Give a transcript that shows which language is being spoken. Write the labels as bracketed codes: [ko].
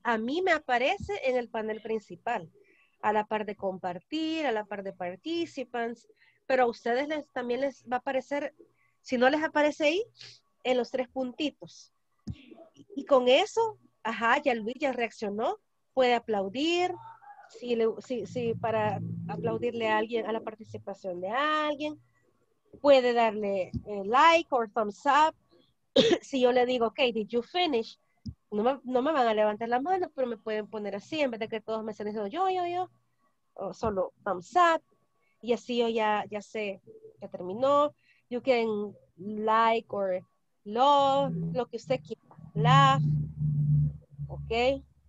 [es] A mí me aparece en el panel principal, a la par de compartir, a la par de participants, pero a ustedes también les va a aparecer, si no les aparece ahí, en los tres puntitos. Y con eso, ajá, ya Luis ya reaccionó, puede aplaudir, si para aplaudirle a alguien, a la participación de alguien, puede darle [en] like or thumbs up. [es] Si yo le digo, [en] okay, did you finish? [es] No me van a levantar la mano, pero me pueden poner así, en vez de que todos me estén diciendo yo, o solo thumbs up, y así yo ya sé que terminó. [en] You can like or love, [es] lo que usted quiera, [en] laugh, ok.